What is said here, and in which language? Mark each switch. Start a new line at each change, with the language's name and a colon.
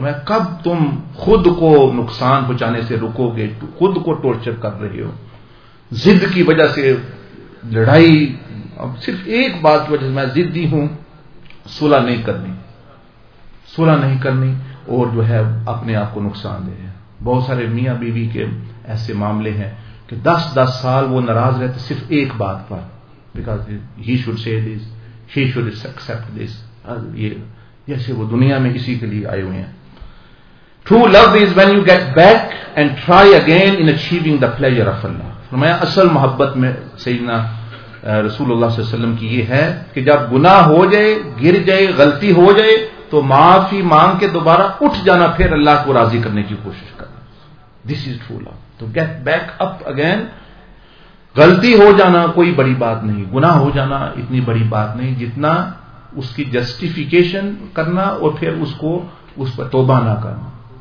Urdu: کب تم خود کو نقصان پہنچانے سے رکو گے، خود کو ٹورچر کر رہے ہو ضد کی وجہ سے، لڑائی صرف ایک بات کی وجہ سے، میں ضدی ہوں، صلح نہیں کرنی، صلح نہیں کرنی، اور جو ہے اپنے آپ کو نقصان دے. بہت سارے میاں بیوی کے ایسے معاملے ہیں کہ 10-10 سال وہ ناراض رہتے صرف ایک بات پر،
English: Because he should say this, he should accept this.
Urdu: یہ جیسے وہ دنیا میں اسی کے لیے آئے ہوئے ہیں.
English: True love is when you get back and try again in achieving the pleasure of Allah.
Urdu: فرمایا اصل محبت میں سیدنا رسول اللہ صلی اللہ علیہ وسلم کی یہ ہے کہ جب گناہ ہو جائے، گر جائے، غلطی ہو جائے، تو معافی مانگ کے دوبارہ اٹھ جانا، پھر اللہ کو راضی کرنے کی کوشش کرنا.
English: This is true love. تو get back up again.
Urdu: غلطی ہو جانا کوئی بڑی بات نہیں، گناہ ہو جانا اتنی بڑی بات نہیں، جتنا اس کی جسٹیفیکیشن کرنا اور پھر اس کو اس پر توبہ نہ کرنا.